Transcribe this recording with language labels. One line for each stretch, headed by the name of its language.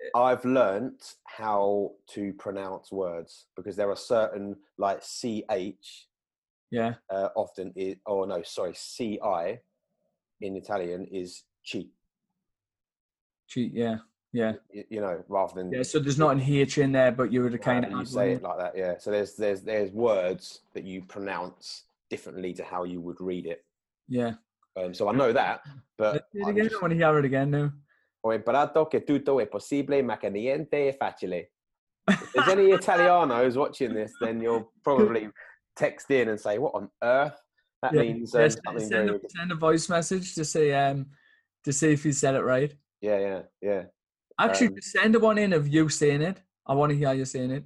English: I've learnt how to pronounce words, because there are certain, like CH, CI, in Italian is chi. Chi, yeah. Yeah. You know, rather than. Yeah, so there's not an H in there, but you would kind of you say it like that, yeah. So there's words that you pronounce differently to how you would read it. Yeah. So I know that, but. I want to hear it again now.
Italian: Ho imparato che tutto è possibile, ma che niente è facile.
English: If there's any Italianos watching this, then you'll probably text in and say, what on earth? Send a voice message to see if you said it right. Yeah. Actually, send one in of you saying it. I want to hear you saying it.